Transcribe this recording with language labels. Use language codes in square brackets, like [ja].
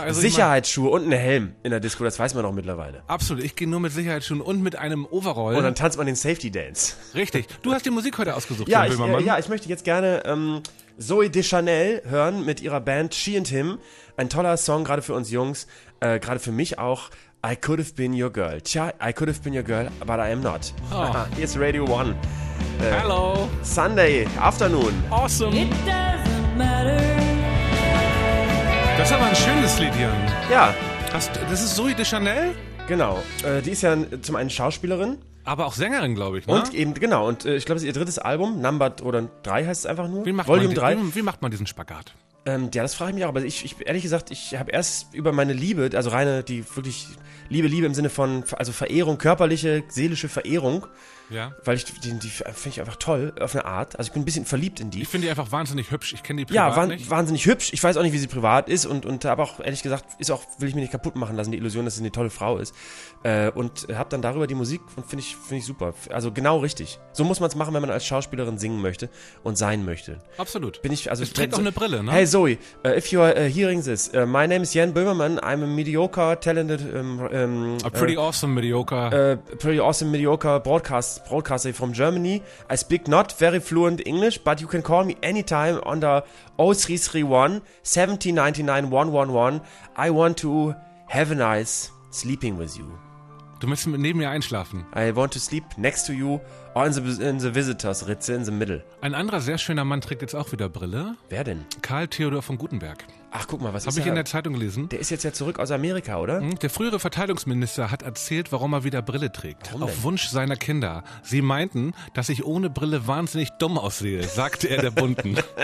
[de] Also Sicherheitsschuhe und einen Helm in der Disco, das weiß man doch mittlerweile. Absolut, ich gehe nur mit Sicherheitsschuhen und mit einem Overall. Und dann tanzt man den Safety Dance. Richtig, du hast die Musik heute ausgesucht. Ja, ich möchte jetzt gerne Zooey Deschanel hören mit ihrer Band She and Him. Ein toller Song, gerade für uns Jungs, gerade für mich auch. [en] I could have been your girl. Tja, I could have been your girl, but I am not. Oh. Here's Radio 1. Hello. Sunday afternoon. Awesome. It doesn't matter. [de] Das ist aber ein schönes Lied hier. Ja. Das ist Zooey Deschanel? Genau. Die ist ja zum einen Schauspielerin. Aber auch Sängerin, glaube ich, ne? Und eben, genau. Und ich glaube, es ist ihr drittes Album. Number 3 heißt es einfach nur. Wie macht man diesen Spagat? Ja, das frage ich mich auch, aber ich ehrlich gesagt, ich habe erst über meine Liebe, also reine, die wirklich Liebe im Sinne von, also Verehrung, körperliche, seelische Verehrung, ja, weil ich die finde ich einfach toll, auf eine Art, also ich bin ein bisschen verliebt in die. Ich finde die einfach wahnsinnig hübsch, ich kenne die privat nicht. Ja, wahnsinnig hübsch, ich weiß auch nicht, wie sie privat ist und aber auch, ehrlich gesagt, will ich mir nicht kaputt machen lassen, die Illusion, dass sie eine tolle Frau ist und habe dann darüber die Musik und finde ich super, also genau richtig. So muss man es machen, wenn man als Schauspielerin singen möchte und sein möchte. Absolut. Bin ich, also, es trägt auch eine Brille, ne? [en] Hey, Zooey, if you are hearing this, my name is Jan Böhmermann, I'm a mediocre, talented, A pretty awesome mediocre broadcaster from Germany. I speak not very fluent English, but you can call me anytime on the 0331 1799 111. I want to have a nice sleeping with you. [de] Du möchtest neben mir einschlafen. [en] I want to sleep next to you or in the visitors Ritze in the middle. [de] Ein anderer sehr schöner Mann trägt jetzt auch wieder Brille. Wer denn? Karl Theodor von Gutenberg. Ach, guck mal, was habe ich in der Zeitung gelesen? Der ist jetzt ja zurück aus Amerika, oder? Der frühere Verteidigungsminister hat erzählt, warum er wieder Brille trägt. Warum denn? Auf Wunsch seiner Kinder. Sie meinten, dass ich ohne Brille wahnsinnig dumm aussehe, sagte er der Bunten.